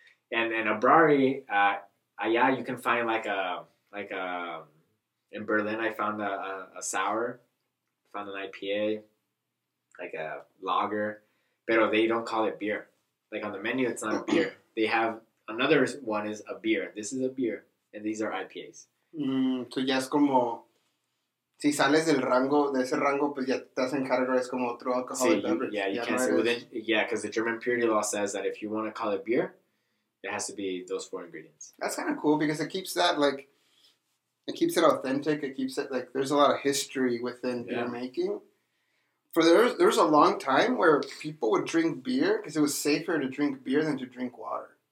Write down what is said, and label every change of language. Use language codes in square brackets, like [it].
[en] And a brewery, yeah, you can find, like a in Berlin, I found a sour. Found an IPA, like a lager. Pero they don't call it beer. Like, on the menu, it's not a beer. They have, another one is a beer. This is a beer. And these are IPAs. [es] Tú ya es como, si sales del rango, de ese rango, pues ya te hacen categorizar como otro [en] alcoholic beverage. Because the German purity law says that if you want to call it beer, it has to be those four ingredients. That's kind of cool because it keeps that, like, it keeps it authentic. It keeps it, like, there's a lot of history within beer making. There was a long time where people would drink beer because it was safer to drink beer than to drink water.